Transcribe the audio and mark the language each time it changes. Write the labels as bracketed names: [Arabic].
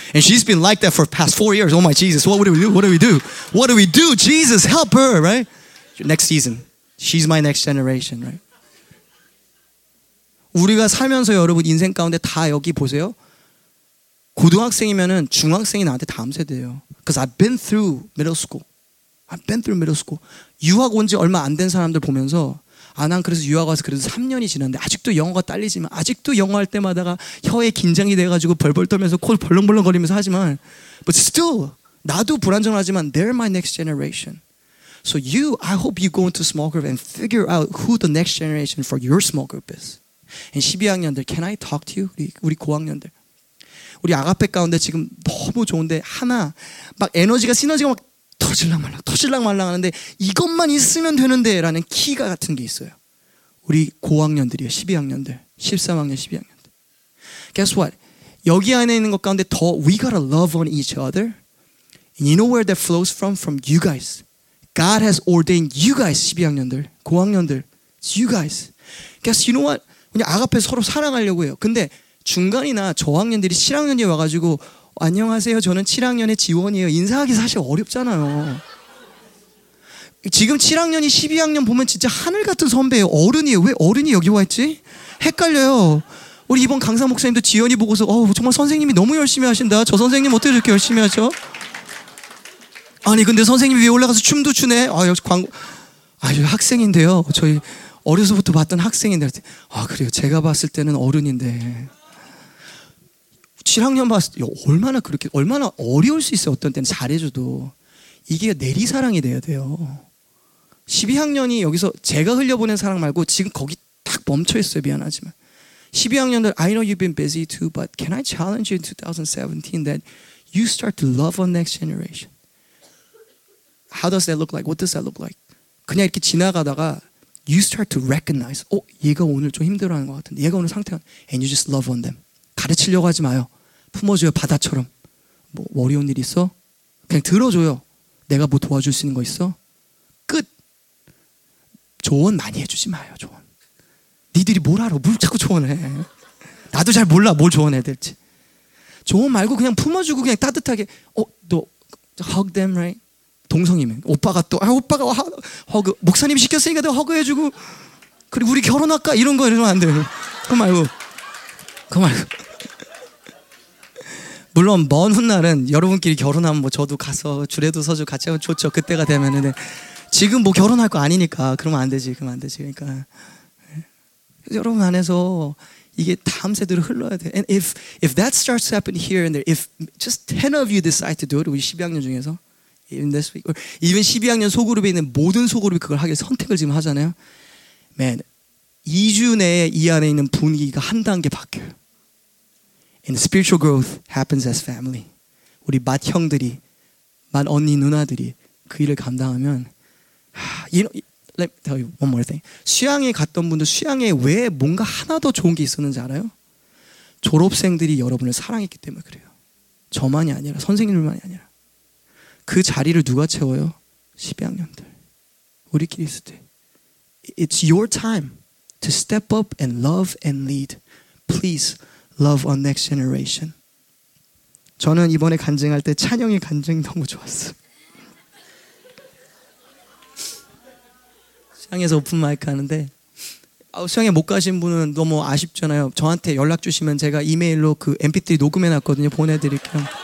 [English] And she's been like that for the past 4 years. Oh my Jesus. What do we do? What do we do? What do we do? Jesus, help her, right? Next season. She's my next generation, right? [Korean] 우리가 살면서 여러분 인생 가운데 다 여기 보세요. 고등학생이면은 중학생이 나한테 다음 세대예요. [English] Because I've been through middle school. I've been through middle school. [Korean] 유학 온 지 얼마 안 된 사람들 보면서 난 그래서 유학 와서 그래도 3년이 지났는데 아직도 영어가 딸리지만 아직도 영어 할 때마다가 혀에 긴장이 돼가지고 벌벌 떨면서 코 벌렁벌렁 거리면서 하지만 [English] But still, [Korean] 나도 불안정하지만 [English] They're my next generation. So you, I hope you go into small group and figure out who the next generation for your small group is. And [Korean] 12학년들, [English] can I talk to you? [Korean] 우리 고학년들. 우리 아가페 가운데 지금 너무 좋은데 하나, 막 에너지가, 시너지가 막 터질랑말랑 하는데 이것만 있으면 되는데 라는 키가 같은 게 있어요. 우리 고학년들이에요. 12학년들. 13학년, 12학년들. [English] Guess what? [Korean] 여기 안에 있는 것 가운데 더 [English] We gotta love on each other. And you know where that flows from? From you guys. God has ordained you guys, [Korean] 12학년들. 고학년들. [English] It's you guys. Guess you know what? [Korean] 그냥 아가페 서로 사랑하려고 해요. 근데 중간이나 저학년들이 7학년이 와가지고 안녕하세요. 저는 7학년의 지원이에요. 인사하기 사실 어렵잖아요. 지금 7학년이 12학년 보면 진짜 하늘 같은 선배예요. 어른이에요. 왜 어른이 여기 와 있지? 헷갈려요. 우리 이번 강사 목사님도 지원이 보고서 정말 선생님이 너무 열심히 하신다. 저 선생님 어떻게 이렇게 열심히 하죠? 아니 근데 선생님이 위에 올라가서 춤도 추네. 학생인데요. 저희 어려서부터 봤던 학생인데 그래요. 제가 봤을 때는 어른인데 7학년 봤을 때 얼마나 그렇게 얼마나 어려울 수 있어요. 어떤 때는 잘해줘도 이게 내리사랑이 돼야 돼요. 12학년이 여기서 제가 흘려보낸 사랑 말고 지금 거기 딱 멈춰있어요. 미안하지만 12학년들 [English] I know you've been busy too but can I challenge you in 2017 that you start to love on next generation? How does that look like? What does that look like? [Korean] 그냥 이렇게 지나가다가 [English] you start to recognize [Korean] 얘가 오늘 좀 힘들어하는 것 같은데 얘가 오늘 상태가 [English] and you just love on them. [Korean] 가르치려고 하지 마요. 품어줘요. 바다처럼. 뭐 어려운 일 있어? 그냥 들어줘요. 내가 뭐 도와줄 수 있는 거 있어? 끝! 조언 많이 해주지 마요. 조언. 니들이 뭘 알아? 뭘 자꾸 조언해? 나도 잘 몰라. 뭘 조언해야 될지. 조언 말고 그냥 품어주고 그냥 따뜻하게 너 [English] hug them, right? [Korean] 동성이면 오빠가 또 오빠가 허그 목사님이 시켰으니까 내가 허그해주고 그리고 우리 결혼할까? 이런 거 이러면 안 돼요. 그거 말고 그거 말고 물론 먼 훗날은 여러분끼리 결혼하면 뭐 저도 가서 주례도 서주 같이 하면 좋죠. 그때가 되면은 지금 뭐 결혼할 거 아니니까 그러면 안 되지. 그러면 안 되지. 그러니까 여러분 안에서 이게 다음 세대로 흘러야 돼. [English] And if that starts to happen here and there, if just 10 of you decide to do it, [Korean] 우리 12학년 중에서 [English] Even this week, or even [Korean] 12학년 소그룹에 있는 모든 소그룹이 그걸 하길 선택을 지금 하잖아요. [English] Man, [Korean] 2주 내에 이 안에 있는 분위기가 한 단계 바뀌어요. [English] And spiritual growth happens as family. [Korean] 우리 맏 형들이, 맏 언니 누나들이 그 일을 감당하면 [English] you know, Let me tell you one more thing. [Korean] 수양에 갔던 분들 수양에 왜 뭔가 하나 더 좋은 게 있었는지 알아요? 졸업생들이 여러분을 사랑했기 때문에 그래요. 저만이 아니라 선생님들만이 아니라 그 자리를 누가 채워요? 12학년들. 우리끼리 있을 때. [English] It's your time to step up and love and lead. Please love on next generation. [Korean] 저는 이번에 간증할 때 찬영이 간증 너무 좋았어. 시향에서 오픈마이크 하는데 시향에 못 가신 분은 너무 아쉽잖아요. 저한테 연락 주시면 제가 이메일로 그 MP3 녹음해놨거든요. 보내드릴게요.